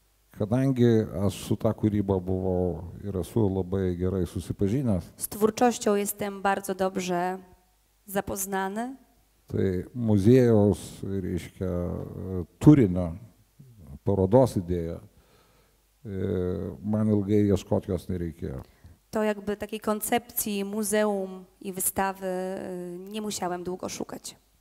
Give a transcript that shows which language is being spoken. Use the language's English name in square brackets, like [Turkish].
[Lithuanian] Kadangi aš su ta kūryba buvau ir esu labai gerai susipažinęs. [Polish] Z twórczością jestem bardzo dobrze zapoznany. [Lithuanian] Tai muziejaus, reiškia, turinio parodos idėja, man ilgai ieškoti jos nereikėjo. [Polish] To jakby takiej koncepcji muzeum i wystawy nie musiałem długo szukać.